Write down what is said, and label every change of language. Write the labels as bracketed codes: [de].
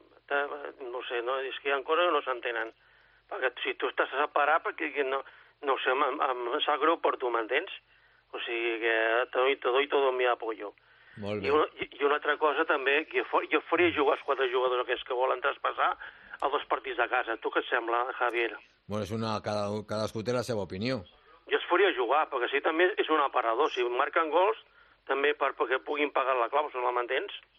[ca] És que hi ha coses que no s'entenen. Perquè si tu estàs separat, perquè no ho sé, em sap greu per tu, m'entens? O sigui que [es] te doy todo mi apoyo. [ca] Molt bé. I una altra cosa també, que jo faria jugar els quatre jugadors aquests que volen traspassar a dos partits de casa. Tu què et sembla, Javier? Bueno, és una... Cadascú té la seva opinió. Jo els faria jugar, perquè sí, també és un aparador. Si marquen gols, també perquè puguin pagar la clau, si no la mantens.